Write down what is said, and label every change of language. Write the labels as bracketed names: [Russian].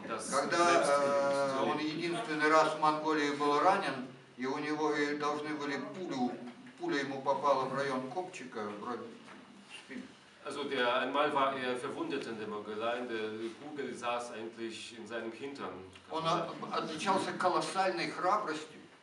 [Russian] Когда он единственный раз в Монголии был ранен, и у него должны были пуля ему попала в район копчика, вроде спины. [German] Also der einmal war er verwundet in der Mongolei, der Kugel saß eigentlich in seinem Hintern. [Russian] Он отличался колоссальной храбростью.